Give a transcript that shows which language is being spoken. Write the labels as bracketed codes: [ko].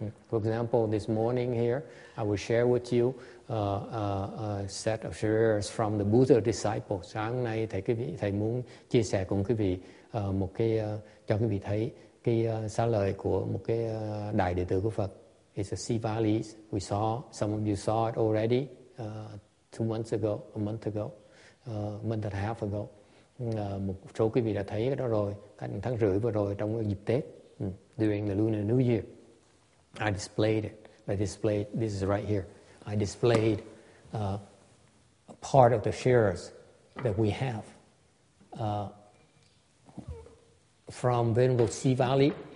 [en] For example, this morning here, I will share with you a set of shares from the Buddha disciples. [vi] Sáng nay thầy quý vị thầy muốn chia sẻ cùng quý vị một cái cho quý vị thấy cái xá lợi của một cái đại đệ tử của Phật. [en] It's a Sivalis. We saw some of you saw it already. 2 months ago, a month ago, month and a half ago, [vi] một số quý vị đã thấy cái đó rồi, cách tháng rưỡi vừa rồi trong dịp Tết, [en] during the Lunar New Year, I displayed it. This is right here. I displayed a part of the shares that we have from Venerable Sivali.